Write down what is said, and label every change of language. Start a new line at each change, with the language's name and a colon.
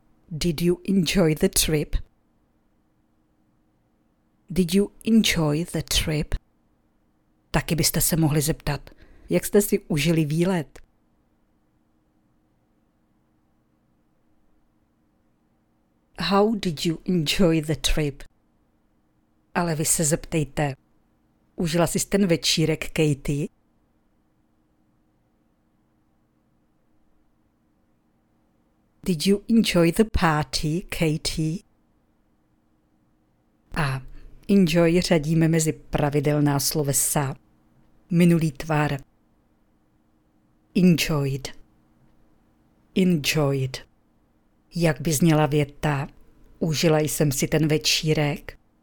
English: Did you enjoy the trip? Did you enjoy the trip?
Czech: Taky byste se mohli zeptat, jak jste si užili výlet?
English: How did you enjoy the trip?
Czech: Ale vy se zeptejte, užila jsi ten večírek, Katie?
English: Did you enjoy the party, Katie?
Czech: A enjoy řadíme mezi pravidelná slovesa. Minulý tvar.
English: Enjoyed. Enjoyed.
Czech: Jak by zněla věta? Užila jsem si ten večírek.